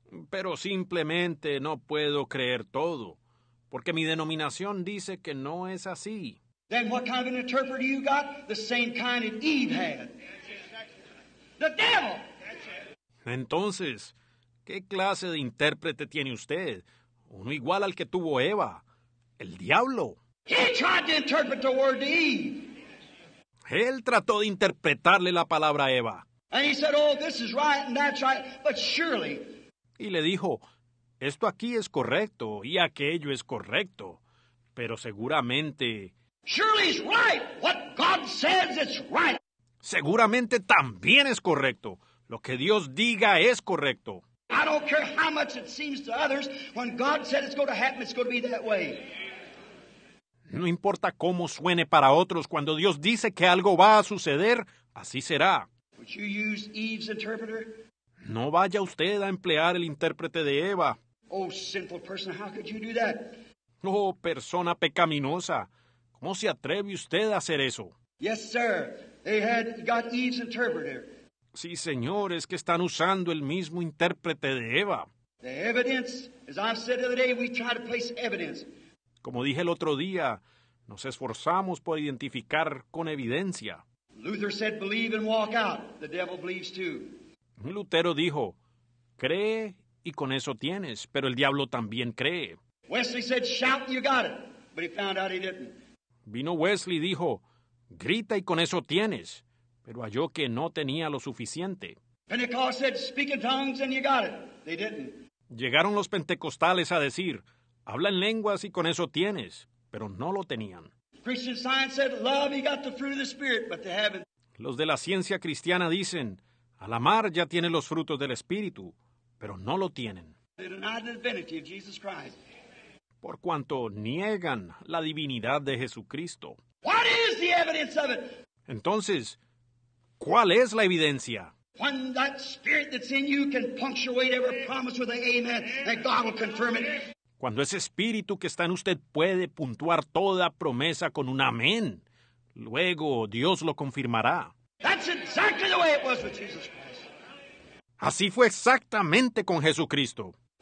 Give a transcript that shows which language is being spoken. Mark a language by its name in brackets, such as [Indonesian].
[Spanish] Pero simplemente no puedo creer todo, Porque mi denominación dice que no es así. [English] Then what kind of an interpreter you got? The same kind that Eve had. The devil! [Spanish] Entonces, ¿qué clase de intérprete tiene usted? Uno igual al que tuvo Eva. El diablo. [English] He tried to interpret the word to Eve. [Spanish] Él trató de interpretarle la palabra a Eva. [English] And he said, oh, this is right and that's right, but surely. [Spanish] Y le dijo, esto aquí es correcto y aquello es correcto, pero seguramente. [English] Surely it's right. What God says is right. [Spanish] Seguramente también es correcto. Lo que Dios diga es correcto. [English] I don't care how much it seems to others, when God said it's going to happen, it's going to be that way. [Spanish] No importa cómo suene para otros, cuando Dios dice que algo va a suceder, así será. [English] Would you use Eve's interpreter? [Spanish] No vaya usted a emplear el intérprete de Eva. [English] Oh, sinful person, how could you do that? [Spanish] Oh, persona pecaminosa, ¿cómo se atreve usted a hacer eso? [English] Yes, sir. They had got Eve's interpreter. [Spanish] Sí, señor, es que están usando el mismo intérprete de Eva. [English] The evidence, as I said the other day, we try to place evidence. [Spanish] Como dije el otro día, nos esforzamos por identificar con evidencia. [English] Luther said, believe and walk out. The devil believes too. [Spanish] Lutero dijo, cree y con eso tienes, pero el diablo también cree. [English] Wesley said, shout and you got it, but he found out he didn't. [Spanish] Vino Wesley y dijo, grita y con eso tienes, pero halló que no tenía lo suficiente. [English] Pentecost said, speak in tongues and you got it. They didn't. [Spanish] Llegaron los pentecostales a decir, habla en lenguas y con eso tienes, pero no lo tenían. [English] Christian Science said, love, you got the fruit of the Spirit, but they haven't. [Spanish] Los de la ciencia cristiana dicen, al amar ya tienen los frutos del Espíritu, pero no lo tienen. [English] They deny the divinity of Jesus Christ. [Spanish] Por cuanto niegan la divinidad de Jesucristo. [English] What is the evidence of it? [Spanish] Entonces, ¿cuál es la evidencia? [English] When that Spirit that's in you can punctuate every promise with an amen, that God will confirm it. [Spanish] Cuando ese espíritu que está en usted puede puntuar toda promesa con un amén, luego Dios lo confirmará. [English] That's exactly the way it was with Jesus Christ. [Spanish] Así fue exactamente con Jesucristo.